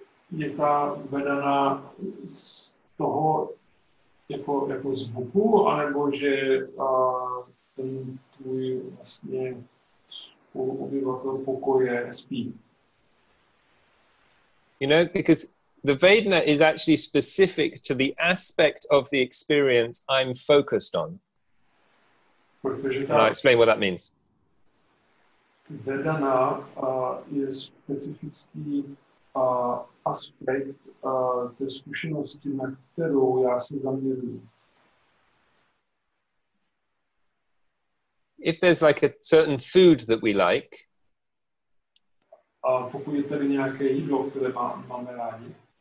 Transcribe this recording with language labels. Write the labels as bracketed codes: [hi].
[cs] Je ta vedana z toho jako zvuku, anebo že ten tvůj vlastně obyvatel pokoje spí? [en] You know, because the vedana is actually specific to the aspect of the experience I'm focused on. I'll explain what that means. [cs] Vedana je specifický aspekt té zkušenosti, na kterou já se zaměřuji. [en] If there's like a certain food that we like, [cs] pokud je tady nějaké jídlo, které máme rádi,